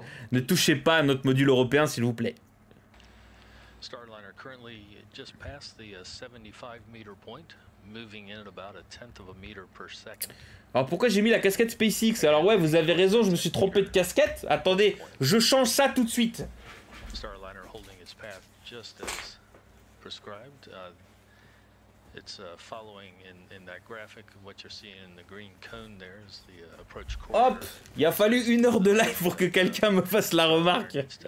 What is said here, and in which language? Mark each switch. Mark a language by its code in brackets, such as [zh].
[fr] Ne touchez pas à notre module européen, s'il vous plaît. [en] Starliner currently just passed the 75 meter point, moving in at about a tenth of a meter per second. [fr] Alors pourquoi j'ai mis la casquette SpaceX? Alors ouais, vous avez raison, je me suis trompé de casquette. Attendez, je change ça tout de suite. [en] Starliner holding its path just as prescribed. It's following in that graphic. What you're seeing in the green cone there is the approach quarter. [fr] Hop, il a fallu une heure de live pour que quelqu'un me fasse la remarque.